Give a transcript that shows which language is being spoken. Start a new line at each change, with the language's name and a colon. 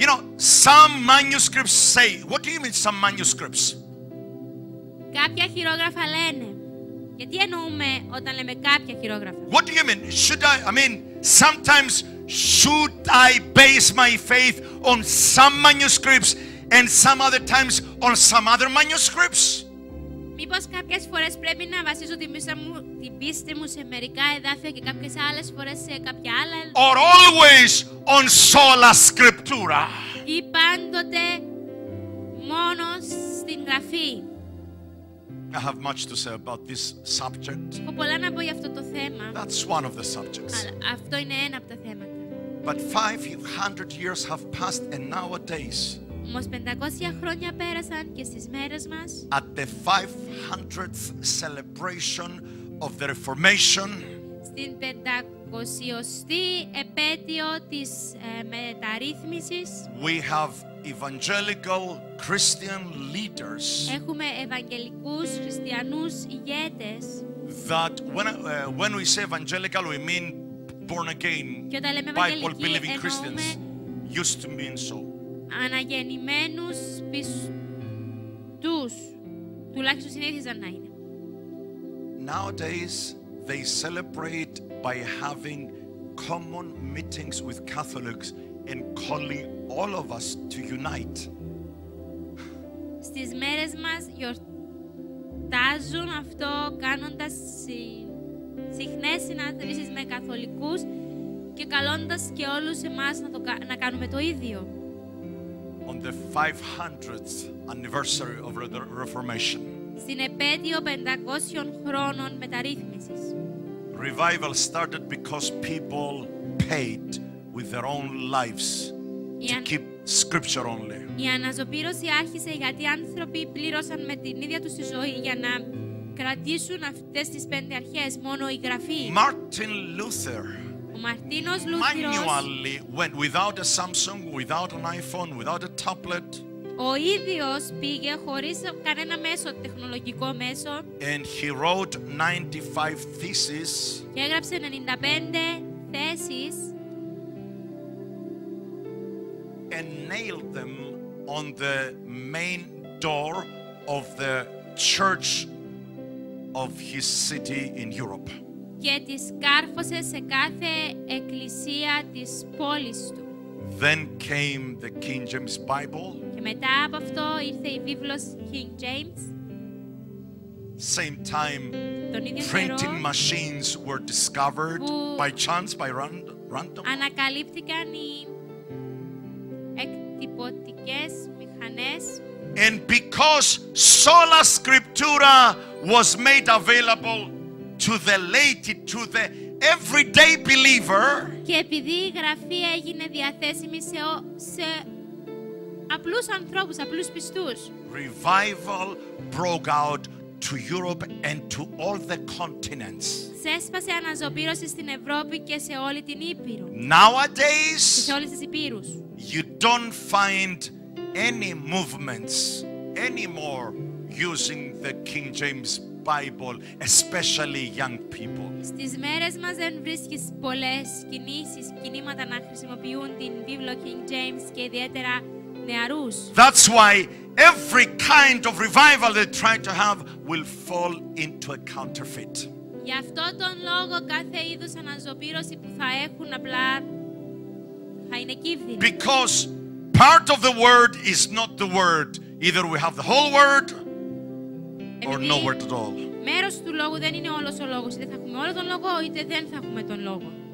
English: You know, some manuscripts say. What do you mean, some manuscripts?
Greek: Κάποια χειρόγραφα λένε. Γιατί εννοούμε όταν λέμε κάποια χειρόγραφα?
English: What do you mean? Should I mean sometimes? Should I base my faith on some manuscripts and some other times on some other manuscripts?
Greek: Μήπως κάποιες φορές πρέπει να βασίζω την πίστη μου σε μερικά εδάφια και κάποιες άλλες φορές σε κάποια άλλα?
English: Or always on sola scriptura?
Greek: Ή πάντοτε μόνο στην γραφή?
English: I have much to say about this subject.
Greek: Έχω πολλά να πω για αυτό το θέμα.
English: That's one of the subjects.
Greek: Αυτό είναι ένα από τα θέματα.
English: But 500 years have passed, and nowadays.
Greek: Μόλις 500 χρόνια πέρασαν και στις μέρες μας.
English: At the 500th celebration of the Reformation.
Greek: Στην 500η επέτειο της μεταρρύθμισης.
English: We have evangelical Christian leaders.
Greek: Έχουμε ευαγγελικούς χριστιανούς ηγέτες.
English: That when we say evangelical, we mean born again, Bible believing Christians used to mean so.
Greek: Αναγεννημένους πιστούς, τουλάχιστον συνήθιζαν να είναι.
English: Nowadays they celebrate by having common meetings with Catholics and calling all of us to unite.
Greek: Στις μέρες μας γιορτάζουν αυτό κάνοντας συχνές συναντήσεις με καθολικούς και καλώντας και όλους εμάς να κάνουμε το ίδιο.
English: On the 500th anniversary of the Reformation.
Greek: Στην επέτειο 500 χρόνων μεταρρύθμισης.
English: Revival started because people paid with their own lives to keep scripture only.
Greek: Η αναζωπήρωση άρχισε γιατί άνθρωποι πλήρωσαν με την ίδια τους τη ζωή για να κρατήσουν αυτές τις πέντε αρχές, μόνο η γραφή.
English: Martin Luther.
Greek: Ο Μαρτίνος Λούθηρος.
English: Manually went without a Samsung, without an iPhone, without a tablet.
Greek: Ο ίδιος πήγε χωρίς κανένα μέσο, τεχνολογικό μέσο.
English: And he wrote 95 theses.
Greek: Και έγραψε 95 θέσεις.
English: And nailed them on the main door of the church of his city in Europe.
Greek: Και τις κάρφωσε σε κάθε εκκλησία της πόλης του.
English: Then came the King James Bible.
Greek: Και μετά από αυτό ήρθε η βίβλος King James.
English: Same time, printing machines were discovered by chance, by random.
Greek: Ανακαλύφθηκαν οι εκτυπωτικές μηχανές.
English: And because sola scriptura was made available to the laity, to the everyday believer.
Greek: Και επειδή η γραφή έγινε διαθέσιμη σε απλούς ανθρώπους, απλούς πιστούς.
English: Revival broke out to Europe and to all the continents.
Greek: Ξέσπασε αναζωπήρωση στην Ευρώπη και σε όλη την Ήπειρο.
English: Nowadays,
Greek: σε όλες τις Ήπειρους.
English: You don't find any movements anymore using the King James Bible, especially young people.
Greek: Στις μέρες μας δεν βρίσκεις πολλές κινήματα να χρησιμοποιούν την βίβλο King James και ιδιαίτερα νεαρούς.
English: That's why every kind of revival they try to have will fall into a counterfeit.
Greek: Γι' αυτό τον λόγο κάθε είδους αναζωπήρωση που θα έχουν απλά.
English: Because part of the word is not the word. Either we have the whole word or no word at all.
Greek: Μέρος του λόγου δεν είναι όλος ο λόγος. Είτε θα έχουμε όλο τον λόγο, είτε δεν θα έχουμε τον λόγο.